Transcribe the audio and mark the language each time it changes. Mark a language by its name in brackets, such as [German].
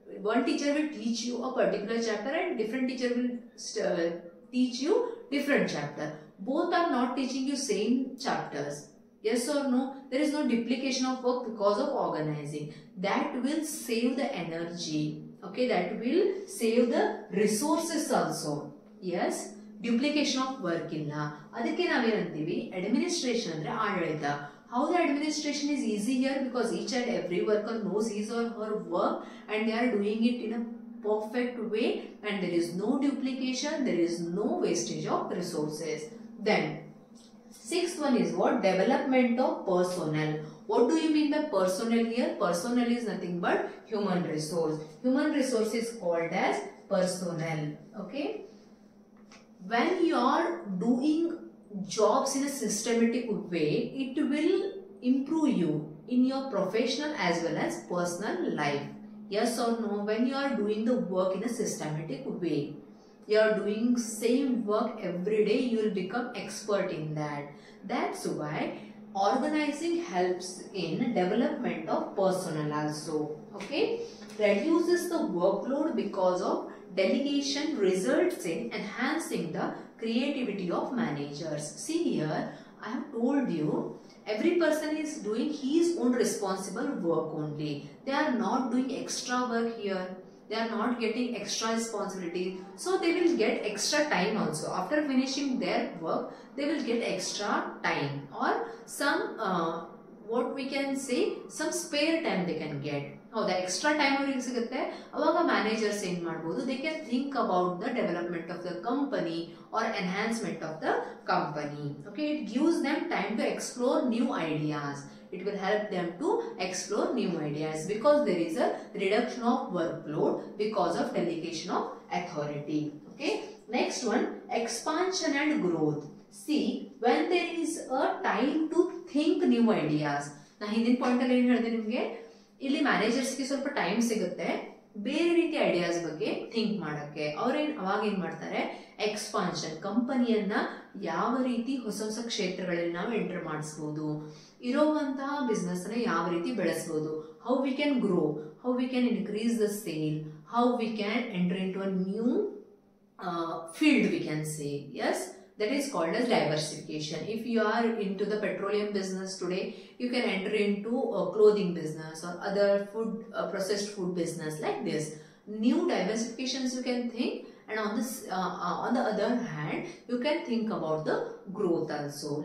[English] One teacher will teach you a particular chapter and different teacher will teach you different chapter. Both are not teaching you same chapters. Yes or no? There is no duplication of work because of organizing. That will save the energy, okay, that will save the resources also. [Kannada] Yes, [English] duplication of work [Kannada] ಇಲ್ಲ. ಅದಕ್ಕೆ ನಾವೇನಂತೀವಿ, administration ಅಂದ್ರೆ ಆಡಳಿತ. [English] How the administration is easy here because each and every worker knows his or her work and they are doing it in a perfect way and there is no duplication, there is no wastage of resources. Then six one is what, development of personnel. What do you mean by personnel here? Personnel is nothing but human resource. Human resource is called as personnel. Okay, when you are doing jobs in a systematic way, it will improve you in your professional as well as personal life. Yes or no? When you are doing the work in a systematic way, you are doing same work every day, you will become expert in that. That's why organizing helps in development of personal also. Okay, reduces the workload because of delegation results in enhancing the creativity of managers. See here, I have told you, every person is doing his own responsible work only. They are not doing extra work here. They are not getting extra responsibility. So they will get extra time also. After finishing their work, they will get extra time or some, what we can say, some spare time they can get. [Kannada] ಹೌದಾ? Extra time ಅವ್ರಿಗೆ ಸಿಗುತ್ತೆ, ಅವಾಗ managers ಏನ್ ಮಾಡ್ಬೋದು, [English] They can think about the development of the company or enhancement of the company. Okay, it gives them time to explore new ideas. It will help them to explore new ideas because there is a reduction of work load because of delegation of authority. Okay, next one, expansion and growth. See, when there is a time to think new ideas, [Kannada] ನಾ ಹಿಂದಿನ point ಅಲ್ಲಿ ಏನು ಹೇಳಿದೆ ನಿಮಗೆ, ಇಲ್ಲಿ ಮ್ಯಾನೇಜರ್ಸ್ಗೆ ಸ್ವಲ್ಪ time ಸಿಗುತ್ತೆ ಬೇರೆ ರೀತಿ ಐಡಿಯಾಸ್ ಬಗ್ಗೆ ಥಿಂಕ್ ಮಾಡೋಕ್ಕೆ. ಅವ್ರೇನು ಅವಾಗ ಏನು ಮಾಡ್ತಾರೆ, ಎಕ್ಸ್ಪಾನ್ಷನ್, ಕಂಪನಿಯನ್ನು ಯಾವ ರೀತಿ ಹೊಸ ಹೊಸ ಕ್ಷೇತ್ರಗಳಲ್ಲಿ ನಾವು ಎಂಟರ್ ಮಾಡಿಸ್ಬೋದು, ಇರೋವಂತಹ ಬಿಸ್ನೆಸ್ನ ಯಾವ ರೀತಿ ಬೆಳೆಸ್ಬೋದು, [English] How we can grow, how we can increase the sale, how we can enter into a new field we can say. Yes, that is called as diversification. If you are into the petroleum business today, you can enter into a clothing business or other food, processed food business like this. New diversifications you can think, and on this on the other hand, you can think about the growth also.